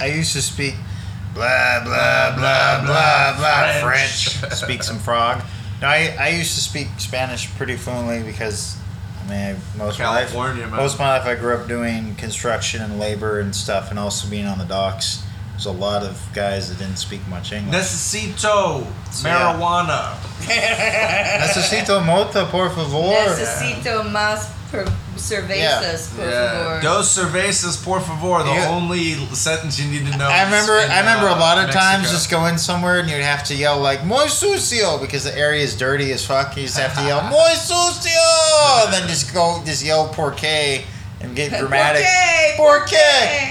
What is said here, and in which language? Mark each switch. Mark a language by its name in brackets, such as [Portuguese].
[English] I used to speak blah, blah, blah, blah, blah, French. Speak some frog. No, I used to speak Spanish pretty fluently because, I mean, most of my life I grew up doing construction and labor and stuff and also being on the docks. There's a lot of guys that didn't speak much English. [Spanish] Necesito marijuana. [English] Yeah. [Spanish] Necesito mota, por favor. Necesito más cervezas, por favor. Dos cervezas, por favor. [English] The only sentence you need to know. I remember a lot of times just going somewhere and you'd have to yell like [Spanish] "muy sucio" [English] because the area is dirty as fuck. You just have to yell [Spanish] "muy sucio," [English] and then just yell [Spanish] "por qué" [English] and get dramatic. [Spanish] Por qué?